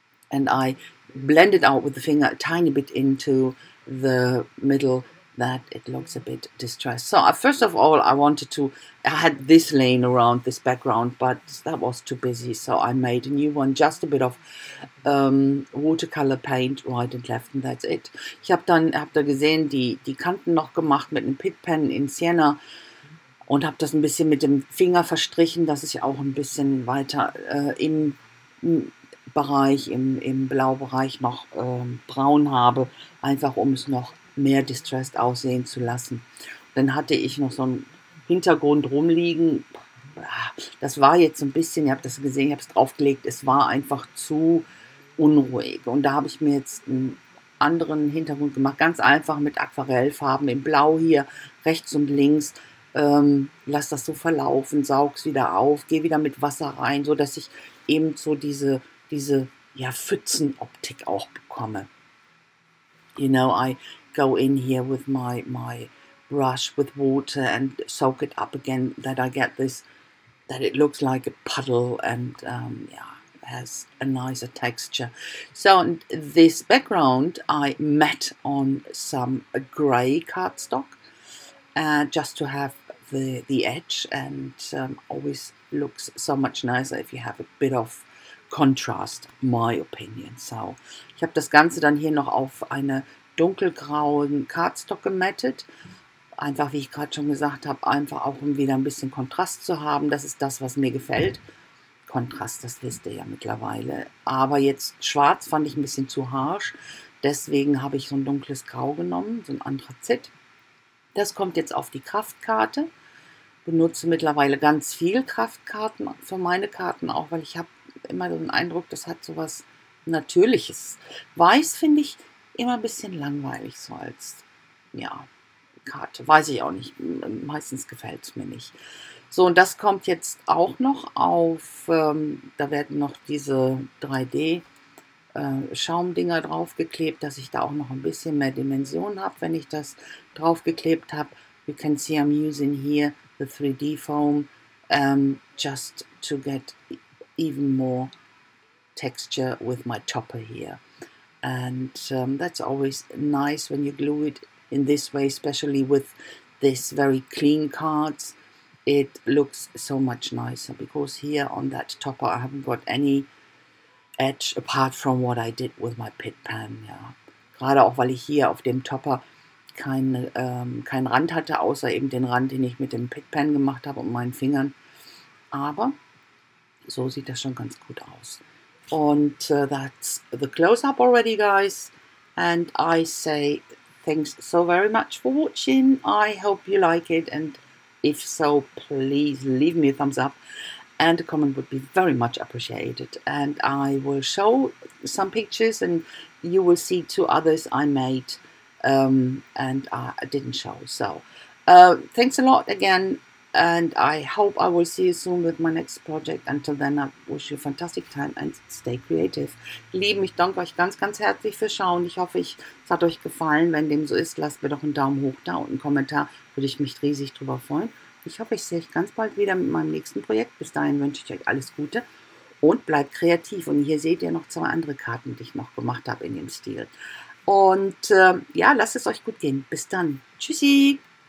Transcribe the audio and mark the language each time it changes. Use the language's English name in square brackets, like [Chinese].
[English] And I blend it out with the finger a tiny bit into the middle that it looks a bit distressed. So first of all, I had this laying around, this background, but that was too busy. So I made a new one, just a bit of watercolor paint, right and left, and that's it. [German] Ich hab da gesehen, die Kanten noch gemacht mit einem Pitpen in Sienna. Und habe das ein bisschen mit dem Finger verstrichen, dass ich auch ein bisschen weiter im Bereich, im Blaubereich noch braun habe, einfach um es noch mehr distressed aussehen zu lassen. Dann hatte ich noch so einen Hintergrund rumliegen. Das war jetzt ein bisschen, ihr habt das gesehen, ich habe es draufgelegt, es war einfach zu unruhig. Und da habe ich mir jetzt einen anderen Hintergrund gemacht, ganz einfach mit Aquarellfarben im Blau hier, rechts und links. Lass das so verlaufen, saug's wieder auf, geh wieder mit Wasser rein, so dass ich eben so diese Pfützenoptik auch bekomme. [English] You know, I go in here with my brush with water and soak it up again, that I get this, that it looks like a puddle and has a nicer texture. So this background I met on some gray cardstock, just to have the edge, and always looks so much nicer if you have a bit of contrast, my opinion. [German] So ich habe das Ganze dann hier noch auf eine dunkelgrauen Cardstock gemattet, einfach, wie ich gerade schon gesagt habe, einfach auch, um wieder ein bisschen Kontrast zu haben. Das ist das, was mir gefällt. Kontrast, das wisst ihr ja mittlerweile. Aber jetzt schwarz fand ich ein bisschen zu harsch, deswegen habe ich so ein dunkles Grau genommen, so ein Anthrazit. Das kommt jetzt auf die Kraftkarte. Benutze mittlerweile ganz viel Kraftkarten für meine Karten auch, weil ich habe immer den Eindruck, das hat so was Natürliches. Weiß finde ich immer ein bisschen langweilig so als Karte. Weiß ich auch nicht. Meistens gefällt es mir nicht. So, und das kommt jetzt auch noch auf, da werden noch diese 3D-Schaumdinger draufgeklebt, dass ich da auch noch ein bisschen mehr Dimension habe, wenn ich das draufgeklebt habe. [English] You can see I'm using here the 3D foam just to get even more texture with my topper here. And that's always nice when you glue it in this way, especially with this very clean cards. It looks so much nicer, because here on that topper I haven't got any edge apart from what I did with my pit pan. Yeah, [German] gerade auch, weil ich hier auf dem Topper keinen Rand hatte, außer eben den Rand, den ich mit dem Pickpen gemacht habe und meinen Fingern. Aber so sieht das schon ganz gut aus. Und [English] that's the close-up already, guys. And I say thanks so very much for watching. I hope you like it. And if so, please leave me a thumbs up. And a comment would be very much appreciated. And I will show some pictures and you will see two others I made and I didn't show. So thanks a lot again. And I hope I will see you soon with my next project. Until then, I wish you a fantastic time and stay creative. [German] Lieben, ich danke euch ganz, ganz herzlich fürs Schauen. Ich hoffe, es hat euch gefallen. Wenn dem so ist, lasst mir doch einen Daumen hoch da und einen Kommentar. Würde ich mich riesig drüber freuen. Ich hoffe, ich sehe euch ganz bald wieder mit meinem nächsten Projekt. Bis dahin wünsche ich euch alles Gute und bleibt kreativ. Und hier seht ihr noch zwei andere Karten, die ich noch gemacht habe in dem Stil. Und ja, lasst es euch gut gehen. Bis dann. Tschüssi.